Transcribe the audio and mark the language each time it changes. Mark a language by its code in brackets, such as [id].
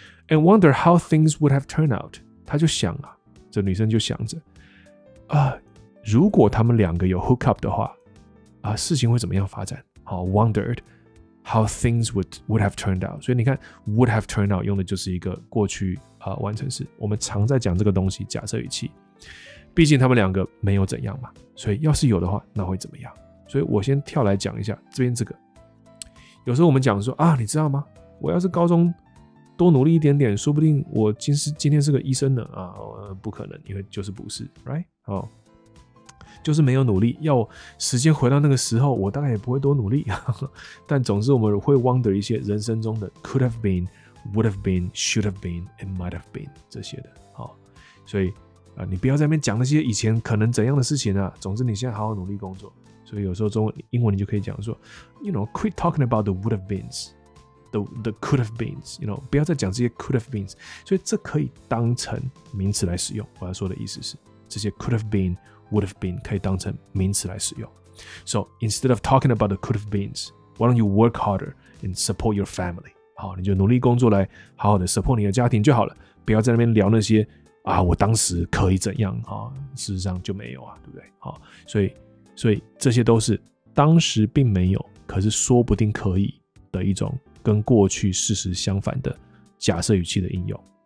[en] And wonder how things would have turned out。 [zh] 他就想啊，这女生就想着，如果他们两个有 [en] hook up [zh] 的话，事情会怎么样发展？ [en] 好 ，wondered how things would have turned out。 [zh] 所以你看 ， [en] would have turned out [zh] 用的就是一个过去完成式。我们常在讲这个东西，假设语气。毕竟他们两个没有怎样嘛，所以要是有的话，那会怎么样？所以我先跳来讲一下这边这个。有时候我们讲说啊，你知道吗？我要是高中多努力一点点，说不定我今天是个医生呢啊！不可能，因为就是不是 ，right？ 哦，就是没有努力。要时间回到那个时候，我大概也不会多努力。但总之，我们会 [en] wonder [zh] 一些人生中的 [en] could have been, would have been, should have been, and might have been [zh] 这些的。好，所以、你不要在那边讲那些以前可能怎样的事情啊。总之，你现在好好努力工作。所以有时候中文、英文你就可以讲说 [en] ，you know, quit talking about the would have beens, the could have beens, you know, [zh] 不要再讲这些 [en] could have beens。 [zh] 所以这可以当成名词来使用。我要说的意思是，这些 [en] could have been, would have been [zh] 可以当成名词来使用。 [en] So instead of talking about the could have beens, why don't you work harder and support your family? [zh] 好，你就努力工作来好好的 support 你的家庭就好了。不要在那边聊那些啊，我当时可以怎样啊？事实上就没有啊，对不对？好，所以这些都是当时并没有，可是说不定可以的一种跟过去事实相反的假设语气的应用。